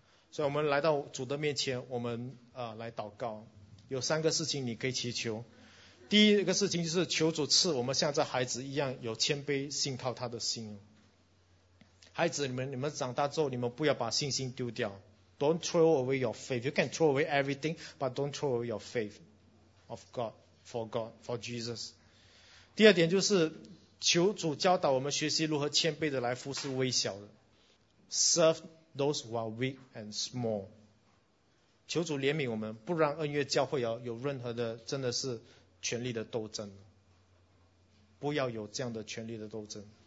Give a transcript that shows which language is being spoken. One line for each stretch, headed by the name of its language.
Chinese: 所以我们来到主的面前，我们来祷告。有三个事情你可以祈求。第一个事情就是求主赐我们像这孩子一样有谦卑信靠他的心。孩子，你们长大之后，你们不要把信心丢掉。
English: Don't throw away your faith. You can throw away everything, but don't throw away your faith of God, for God, for Jesus.
Chinese: 第二点就是求主教导我们学习如何谦卑的来服侍微小的。
English: Serve those who are weak and small.
Chinese: 求主怜悯我们，不让恩悦教会有任何的真的是权力的斗争，不要有这样的权力的斗争。